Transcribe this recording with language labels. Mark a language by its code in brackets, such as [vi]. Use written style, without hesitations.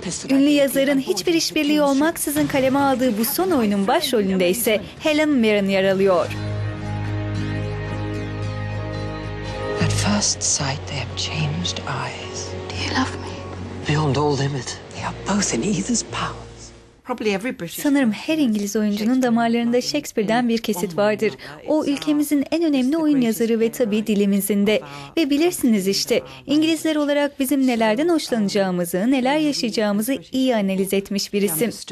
[tr] Ünlü yazarın hiçbir işbirliği olmaksızın kaleme aldığı bu son oyunun başrolünde ise Helen Mirren yer alıyor. [en] At first sight they have changed eyes. Do you love me? Beyond all limit. They are both in either's power. [tr] Sanırım her İngiliz oyuncunun damarlarında Shakespeare'den bir kesit vardır. O ülkemizin en önemli oyun yazarı ve tabii dilimizin de. Ve bilirsiniz işte, İngilizler olarak bizim nelerden hoşlanacağımızı, neler yaşayacağımızı iyi analiz etmiş bir isim.